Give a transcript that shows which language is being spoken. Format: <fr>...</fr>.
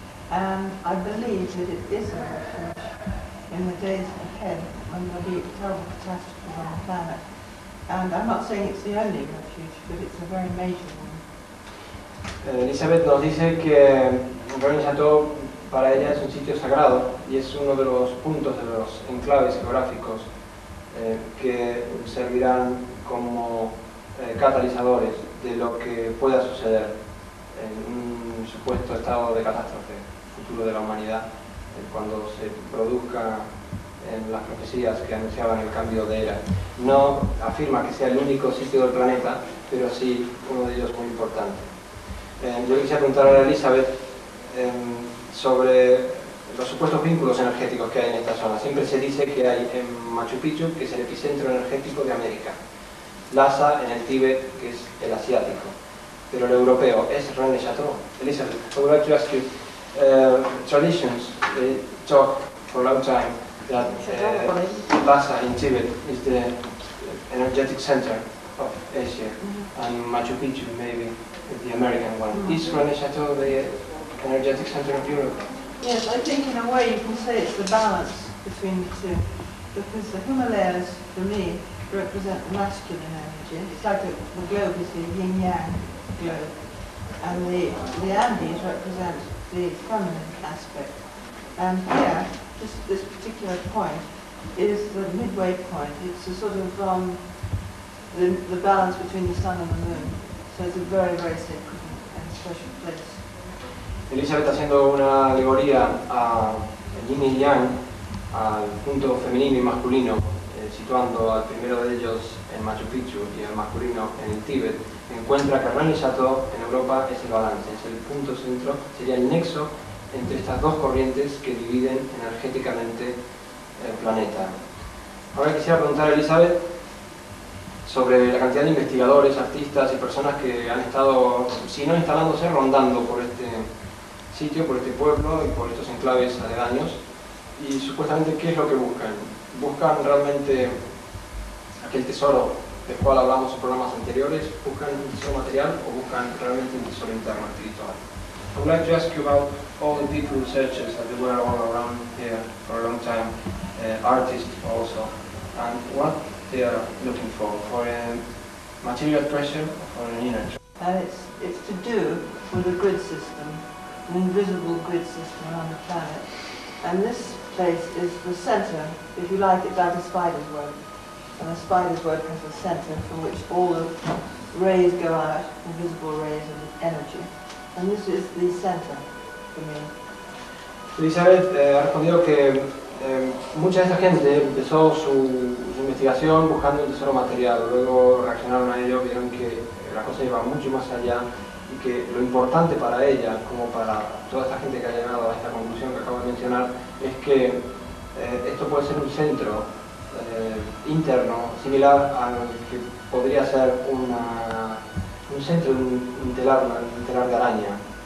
<en>And I believe that it is a refuge in the days ahead when there will be a terrible catastrophe on the planet. And I'm not saying it's the only refuge, but it's a very major one.</en> <es>Elizabeth nos dice que Rennes-les-Châteaux para ella es un sitio sagrado y es uno de los puntos, de los enclaves geográficos que servirán como catalizadores de lo que pueda suceder en un supuesto estado de catástrofe futuro de la humanidad, cuando se produzca en las profecías que anunciaban el cambio de era. No afirma que sea el único sitio del planeta, pero sí uno de ellos muy importante. Yo quisiera preguntar a Elizabeth sobre los supuestos vínculos energéticos que hay en esta zona. Siempre se dice que hay en Machu Picchu, que es el epicentro energético de América, Lhasa en el Tíbet, que es el asiático, pero el europeo es Rennes-les-Châteaux.</es> <en>Elizabeth, I would like to ask you, traditions, they talk for a long time that Lhasa in Tibet is the energetic center of Asia, and Machu Picchu maybe the American one. Is Rennes-les-Châteaux the energetic center of Europe? Yes, I think in a way you can say it's the balance between the two. because the Himalayas, for me, represent masculine energy. It's like the globe is the yin-yang globe, and the Andes represent the feminine aspect. And here, just this particular point, is the midway point. It's a sort of the balance between the sun and the moon. So it's a very, very sacred and special place.</en> <es>Elizabeth haciendo una alegoría a yin y yang, al punto femenino y masculino, situando al primero de ellos en Machu Picchu y al masculino en el Tíbet, encuentra que Rani Sato en Europa es el balance, es el punto centro, sería el nexo entre estas dos corrientes que dividen energéticamente el planeta. Ahora quisiera preguntar a Elizabeth sobre la cantidad de investigadores, artistas y personas que han estado, si no instalándose, rondando por este sitio, por este pueblo y por estos enclaves aledaños. Y supuestamente, ¿qué es lo que buscan? ¿Buscan realmente aquel tesoro del cual hablamos en programas anteriores? ¿Buscan un tesoro material o buscan realmente un tesoro interno espiritual?</es> <en>I would like to ask you about all the deep researchers that they were all around here for a long time, artists also, and what they are looking for a material treasure or an energy. It's to do with a grid system, an invisible grid system on the planet. And this place is the center, if you like, it's like a spider's web. And a spider's web has a center from which all the rays go out, invisible rays and energy. And this is the center for me.</en> <es>Elizabeth ha respondido que mucha de esa gente empezó su investigación buscando el tesoro material. Luego reaccionaron a ello, vieron que la cosa iba mucho más allá, que lo importante para ella, como para toda esta gente que ha llegado a esta conclusión que acabo de mencionar, es que esto puede ser un centro interno, similar al que podría ser un centro de un telar de araña.</es>